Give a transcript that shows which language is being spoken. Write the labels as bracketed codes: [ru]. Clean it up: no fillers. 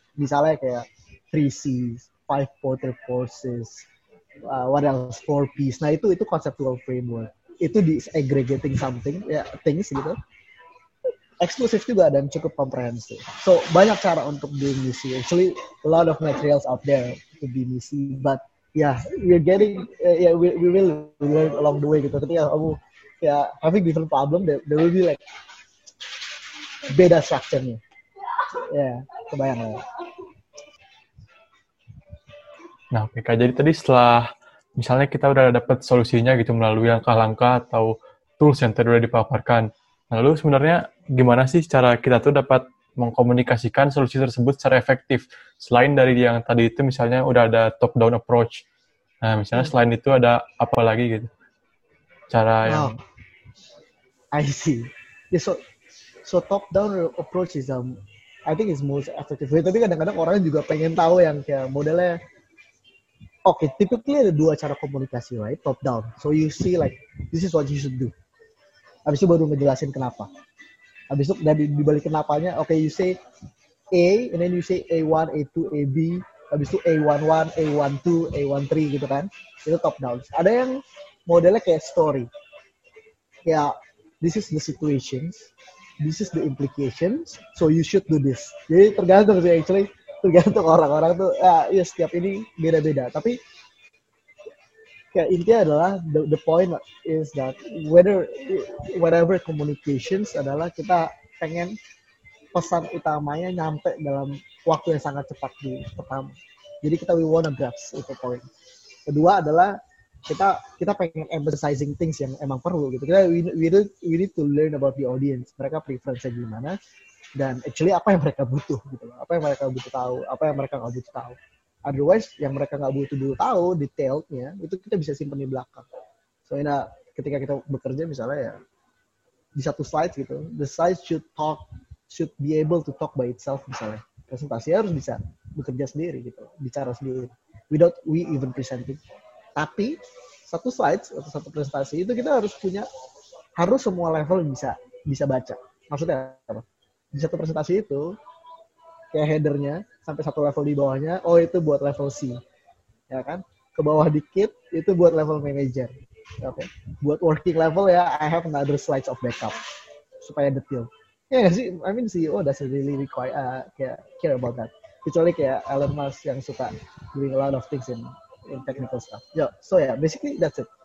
[id] Misalnya kayak 3 C's, 5 Potter Forces, [en] what else, [id] 4 P's. Nah itu [en] conceptual framework. [id] Itu di [en] aggregating something, [id] ya, things gitu. Exclusive juga dan cukup comprehensive. So banyak cara untuk be MISI. [en] Actually, a lot of materials out there to be MISI, but yeah, we're getting, yeah, we will learn along the way gitu. [id] Ketika kamu, [en] ya, having different problem, there will be like [id] beda [en] structure-nya. [id] Yeah, kebayang lah. Nah, PK, jadi tadi setelah misalnya kita udah dapet solusinya gitu melalui langkah-langkah atau tools yang tadi udah dipaparkan, lalu sebenarnya gimana sih cara kita tuh dapat mengkomunikasikan solusi tersebut secara efektif? Selain dari yang tadi itu misalnya udah ada top-down approach. Nah, misalnya selain itu ada apa lagi gitu? Cara yang... [en] Oh, I see. Yeah, so top-down approach is, I think is most effective. [id] Yeah, tapi kadang-kadang orang juga pengen tahu yang kayak modelnya. Oke, okay, [en] typically [id] ada dua cara komunikasi, right? Top down. [en] So you see like, this is what you should do. [id] Habis itu baru ngejelasin kenapa. Habis itu dari dibalik kenapanya, oke, okay, [en] you say A, and then you say A1, A2, AB. [id] Habis itu A11, A12, A13 gitu kan. Itu top down. Ada yang modelnya kayak story. [en] Kayak, this is the situation. This is the implications. So you should do this. [id] Jadi tergantung sih actually. Tergantung orang-orang tuh, ya setiap ini beda-beda. Tapi kayak intinya adalah [en] the point is that whatever communications [id] adalah kita pengen pesan utamanya nyampe dalam waktu yang sangat cepat di pertama. Jadi kita [en] we wanna grasp [id] itu point. Kedua adalah kita pengen [en] emphasizing things [id] yang emang perlu gitu. Kita [en] we need to learn about the audience. [id] Mereka preference-nya gimana? Dan actually apa yang mereka butuh gitu, apa yang mereka butuh tahu, apa yang mereka nggak butuh tahu. [en] Otherwise, [id] yang mereka nggak butuh dulu tahu detailnya itu kita bisa simpan di belakang. So ina, ketika kita bekerja misalnya ya di satu slide gitu, [en] the slide should be able to talk by itself [id] misalnya. Presentasi harus bisa bekerja sendiri gitu, bicara sendiri [en] without we even presenting. [id] Tapi satu slide atau satu presentasi itu kita harus punya harus semua level bisa bisa baca. Maksudnya apa? Di satu presentasi itu kayak headernya sampai satu level di bawahnya, oh itu buat level C, ya kan? Ke bawah dikit itu buat level manager. Oke, okay. Buat working level ya, [en] I have another slides of backup [id] supaya detail. Ya nggak sih, [en] I mean CEO doesn't really require kayak care about that. [id] Kecuali kayak Elon Musk yang suka [en] doing a lot of things in technical stuff. Yo, so yeah, basically that's it.